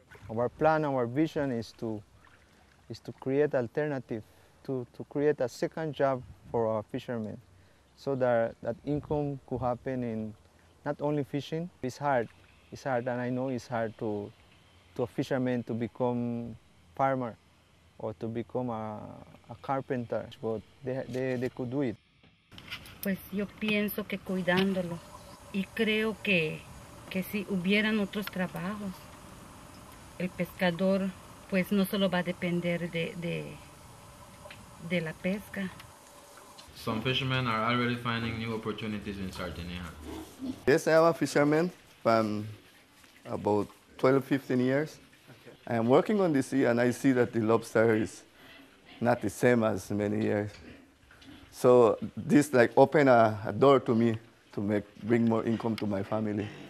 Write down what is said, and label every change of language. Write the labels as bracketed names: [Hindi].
[English] Our plan, our vision is to create alternative, to create a second job for our fishermen. So that income could happen in not only fishing. It's hard, and I know it's hard to a fisherman to become farmer or to become a carpenter, but they could do it. [Spanish] Pues yo pienso que cuidándolo, y creo que si hubieran otros trabajos, el pescador pues no solo va a depender de la pesca. [English] Some fishermen are already finding new opportunities in Sarteneja. Yes, I am a fisherman from about 12-15 years. Okay. I am working on the sea and I see that the lobster is not the same as many years. So this like opened a door to me to bring more income to my family.